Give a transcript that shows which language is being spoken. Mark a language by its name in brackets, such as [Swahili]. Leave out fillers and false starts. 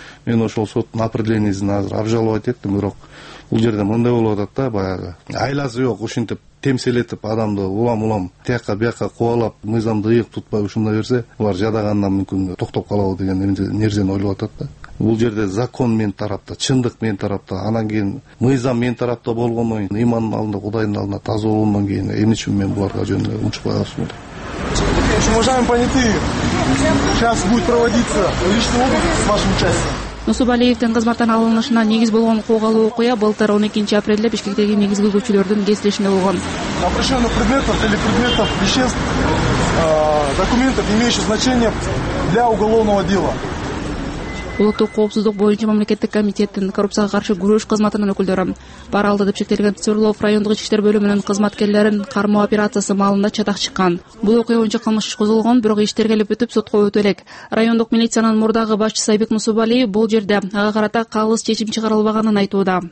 [Kyrgyz] Мен ошол соттун определениясын азыр [Russian] обжаловать [Kyrgyz] эттим, бирок бул жерде мындай болуп атат да, баягы айласы жок ушинтип темселетип адамды улам улам тияка бияка кубалап мыйзамды ыйык тутпай ушундай берсе, булар жадагандан мүмкүн токтоп калабы деген нерсени ойлоп атат да. Бул жерде закон мен тарапта, чындык мен тарапта, анан кийин мыйзам мен тарапта болгондон кийин, ыймандын алдында Кудайдын алдында таза болгондон кийин эмне үчүн мен буларга жөн эле унчукпай калыпмын да. [Russian] Уважаемые понятые, сейчас будет проводиться личный обыск с вашим участием. [Kyrgyz] Мусубалиевдин кызматтан алынышына негиз болгон кок алуу окуя былтыр 12-апрелде Бишкектеги негизги көчөлөрдүн кесилишинде болгон. [Russian] Запрещенных предметов или предметов веществ, документов, имеющих значение для уголовного дела. [Kyrgyz] Улуттук коопсуздук боюнча мамлекеттик комитеттин коррупцияга каршы күрөш кызматынын өкүлдөрү пара алды деп шектелген Свердлов райондук ички иштер бөлүмүнүн кызматкерлерин кармоо операциясы маалында чатак чыккан. Бул окуя боюнча кылмыш иш козголгон, бирок иш тергелип бүтүп сотко өтө элек. Райондук милициянын мурдагы башчысы Айбек Мусубалиев бул жерде ага карата калыс чечим чыгарылбаганын айтууда.